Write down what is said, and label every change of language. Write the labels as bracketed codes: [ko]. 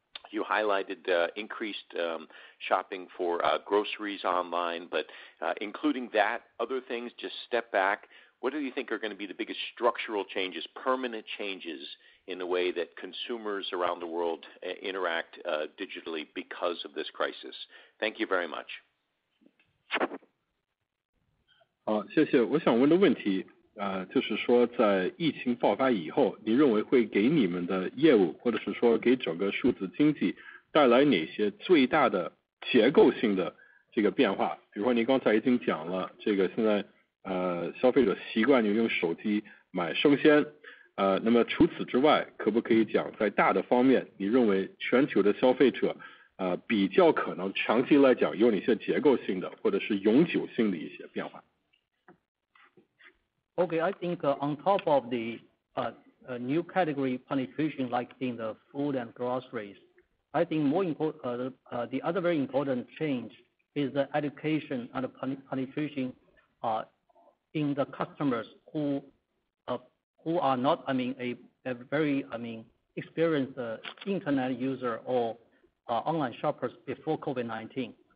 [en] You highlighted increased shopping for groceries online, but including that, other things, just step back. What do you think are going to be the biggest structural changes, permanent changes in the way that consumers around the world interact digitally because of this crisis? Thank you very much. [zh] 好，谢谢。我想问的问题就是说在疫情爆发以后，你认为会给你们的业务或者是说给整个数字经济带来哪些最大的结构性的这个变化？比如说你刚才已经讲了这个现在消费者习惯于用手机买生鲜那么除此之外，可不可以讲在大的方面，你认为全球的消费者比较可能长期来讲有哪些结构性的或者是永久性的一些变化？ [en] Okay, I think on top of the new category penetration, like in the food and groceries. I think more the other very important change is the education and the penetration in the customers who are not, I mean, a very, I mean, experienced internet user or online shoppers before COVID-19.